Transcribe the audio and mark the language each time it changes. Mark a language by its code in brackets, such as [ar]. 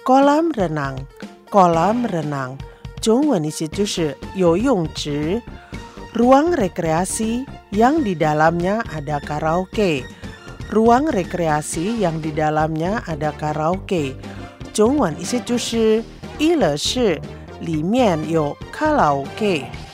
[zh] Kolam renang 中文意思就是游泳池。 [id] Ruang rekreasi yang di dalamnya ada karaoke. Ruang rekreasi yang di dalamnya ada karaoke. [zh] 中文意思就是娱乐室, 里面有卡拉OK。